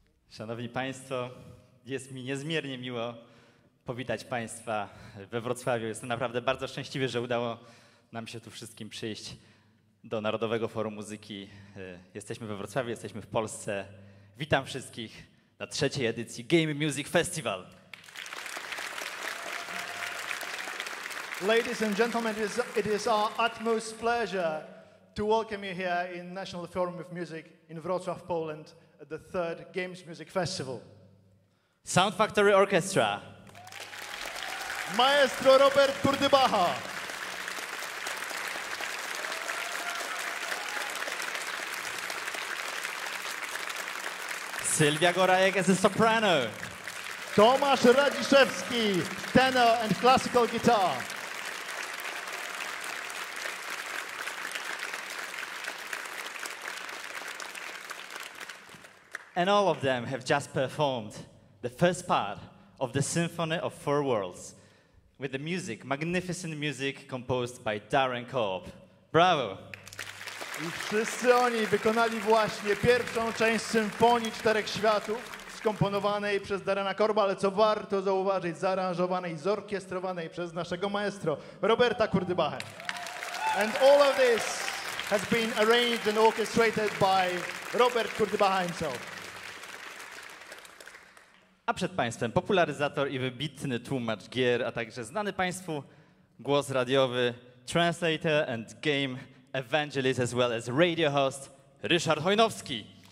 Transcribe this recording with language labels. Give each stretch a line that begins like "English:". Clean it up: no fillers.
Polish: Szanowni Państwo, jest mi niezmiernie miło powitać Państwa we Wrocławiu. Jestem naprawdę bardzo szczęśliwy, że udało nam się tu wszystkim przyjść do Narodowego Forum Muzyki. Jesteśmy we Wrocławiu, jesteśmy w Polsce. Witam wszystkich na trzeciej edycji Game Music Festival.
English: Ladies and gentlemen, it is our utmost pleasure to welcome you here in National Forum of Music in Wrocław, Poland, at the third Games Music Festival. Sound Factory Orchestra. Maestro Robert Kurdybacha. Sylwia Gorajek as a soprano. Tomasz Radziszewski, tenor and classical guitar. And all of them have just performed the first part of the Symphony of Four Worlds with the music, magnificent music composed by Darren Korb. Bravo!
Polish: I wszyscy oni wykonali właśnie pierwszą część Symfonii Czterech Światów, skomponowanej przez Darrena Korba, ale co warto zauważyć, zaaranżowanej, zorkiestrowanej przez naszego maestro, Roberta Kurdybacha.
English: And all of this has been arranged and orchestrated by Robert Kurdybacha himself.
Polish: A przed Państwem popularyzator i wybitny tłumacz gier, a także znany Państwu głos radiowy,
English: translator and game evangelist as well as radio host,
Polish: Ryszard Hojnowski.